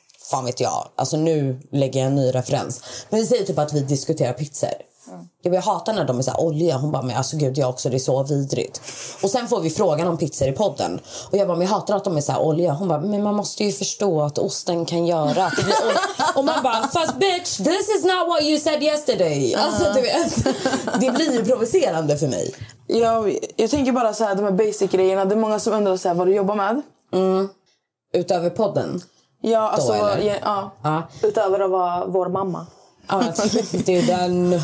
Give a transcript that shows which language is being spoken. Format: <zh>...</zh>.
<sv>Fan vet jag, alltså nu lägger jag en ny referens. Men vi säger typ att vi diskuterar pizzor. Mm. Jag hatar när de är så här olja. Hon bara, men alltså gud, jag också, det är så vidrigt. Och sen får vi frågan om pizzor i podden. Och jag bara, men jag hatar att de är så här olja. Hon bara, men man måste ju förstå att osten kan göra att det blir olja. Och man bara, fast</sv> <en>bitch, this is not what you said yesterday.</en> <sv>Alltså du vet, det blir ju provocerande för mig. Jag tänker bara så här, de här basic grejerna. Det är många som undrar så här, vad du jobbar med. Mm. Utöver podden. Ja, alltså, utöver att vara vår mamma. Ja, det är den.</sv>